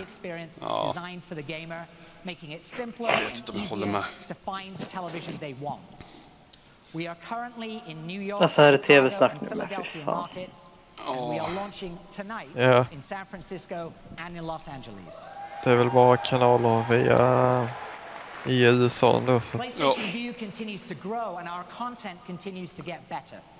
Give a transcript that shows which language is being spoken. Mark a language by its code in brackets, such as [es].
[en] Experience designed for the gamer, making it simpler and easier to find the television they want. We are currently in New York, Philadelphia markets, and we are launching tonight in San Francisco and in Los Angeles. [sv] Det är väl bara kanaler via i USA nu, så. [en] PlayStation View continues to grow and our content continues to get better.